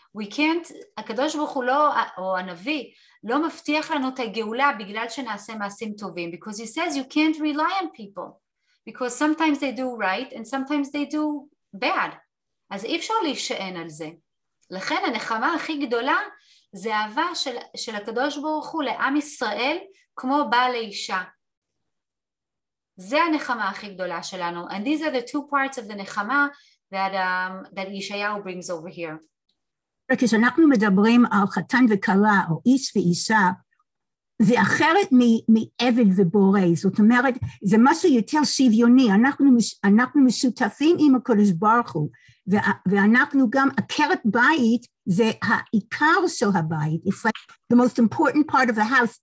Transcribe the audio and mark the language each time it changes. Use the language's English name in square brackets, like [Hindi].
[English] We can't, [Hebrew] הקדוש ברוך הוא לא, או הנביא, לא מבטיח לנו את הגאולה בגלל שנעשה מעשים טובים, [English] because he says you can't rely on people, because sometimes they do right and sometimes they do bad. [Hebrew] אז אי אפשר להישען על זה. לכן הנחמה הכי גדולה זה אהבה של הקדוש ברוך הוא לעם ישראל כמו בעל אישה. זה הנחמה הכי גדולה שלנו. [English] And these are the two parts of the נחמה that Yeshayahu brings over here. [Hebrew] כשאנחנו מדברים על חתן וכלה או איש ואישה, זה אחרת מעבד ובורא. זאת אומרת, זה משהו יותר שוויוני. אנחנו משותפים עם הקדוש ברוך הוא. ואנחנו גם, עקרת בית זה העיקר של הבית. [English] It's like the most important part of the house.